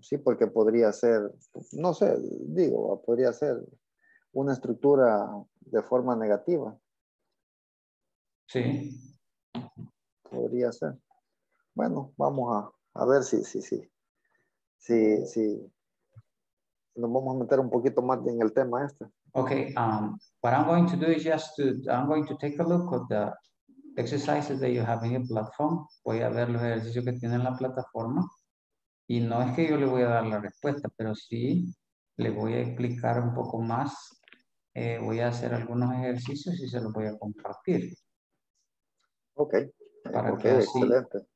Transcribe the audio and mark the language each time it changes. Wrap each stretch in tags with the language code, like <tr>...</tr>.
<es>Sí, porque podría ser, no sé, digo, podría ser una estructura de forma negativa. Sí. Podría ser. Bueno, vamos a ver si. Sí, sí. Nos vamos a meter un poquito más en el tema este.</es> <en>Okay, what I'm going to do is I'm going to take a look at the exercises that you have in your platform.</en> <es>Voy a ver los ejercicios que tienen en la plataforma. Y no es que yo le voy a dar la respuesta, pero sí le voy a explicar un poco más. Voy a hacer algunos ejercicios y se los voy a compartir.</es> <en>Okay.</en> <es>Excelente.</es>